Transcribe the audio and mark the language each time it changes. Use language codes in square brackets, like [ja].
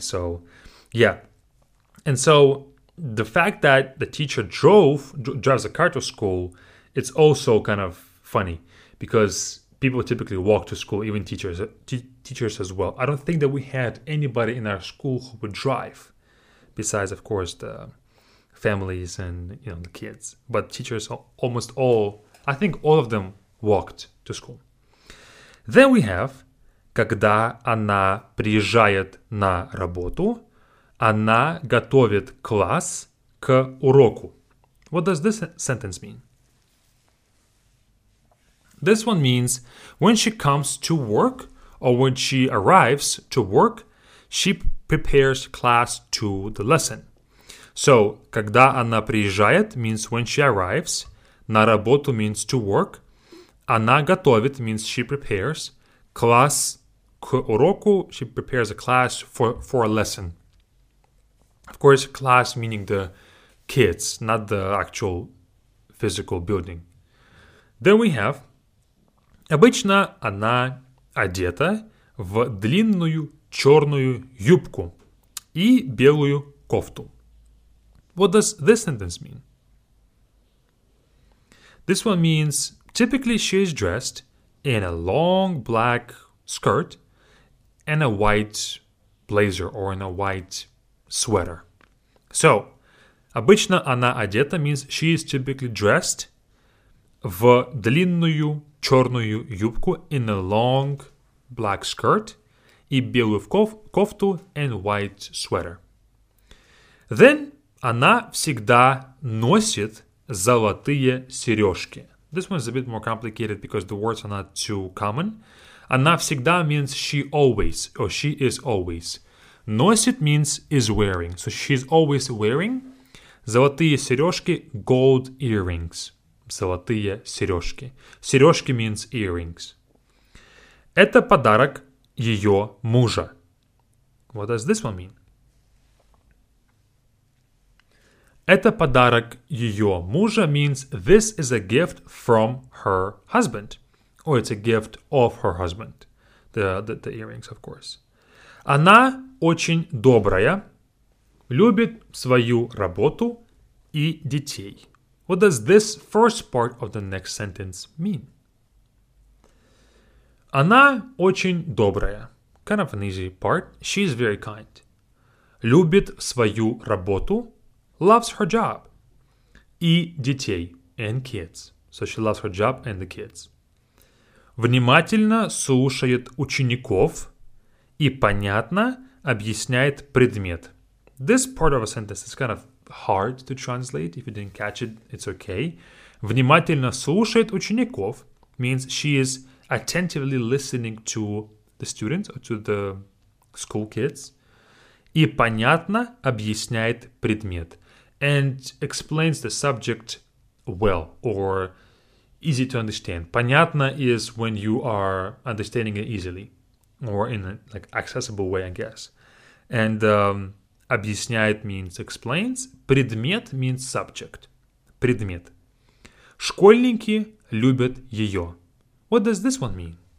[en] So, yeah. And so the fact that the teacher drives a car to school, it's also kind of funny because people typically walk to school, even teachers as well. I don't think that we had anybody in our school who would drive, besides, of course, the families and, you know, the kids. But teachers, all of them walked to school. Then we have, [ru] когда она приезжает на работу, она готовит класс к уроку. [en] What does this sentence mean? This one means when she comes to work or when she arrives to work, she prepares class to the lesson. So, [ru] когда она приезжает [en] means when she arrives, [ru] на работу [en] means to work, [ru] она готовит [en] means she prepares, [ru] класс к уроку, [en] she prepares a class for a lesson. Of course, class meaning the kids, not the actual physical building. Then we have [ru] обычно она одета в длинную черную юбку и белую кофту. [en] What does this sentence mean? This one means typically she is dressed in a long black skirt and a white blazer or in a white sweater. So, [ru] обычно она одета [en] means she is typically dressed [ru] в длинную черную юбку [en] in a long black skirt [ru] и белую кофту [en] and white sweater. Then [ru] она всегда носит золотые сережки. [en] This one is a bit more complicated because the words are not too common. Она всегда means she always, or she is always. Носит means is wearing. So she's always wearing. [ru] Золотые сережки, [en] gold earrings. [ru] Золотые сережки. [en] Сережки means earrings. [ru] Это подарок ее мужа. [en] What does this one mean? [ru] Это подарок ее мужа [en] means this is a gift from her husband. Or it's a gift of her husband. The earrings, of course. [ru] Она очень добрая, любит свою работу и детей. [en] What does this first part of the next sentence mean? [ru] Она очень добрая. [en] Kind of an easy part. She is very kind. [ru] Любит свою работу. [en] Loves her job. [ru] И детей. [en] And kids. So she loves her job and the kids. [ru] Внимательно слушает учеников. И понятно объясняет предмет. [en] This part of a sentence is kind of hard to translate. If you didn't catch it, it's okay. [ru] Внимательно слушает учеников [en] means she is attentively listening to the students or to the school kids. [ru] И понятно объясняет предмет. [en] And explains the subject well or easy to understand. Понятно is when you are understanding it easily or in an like, accessible way, I guess. And объясняет means explains. Предмет means subject. Предмет. [ru] Школьники любят ее. [en] What does this one mean?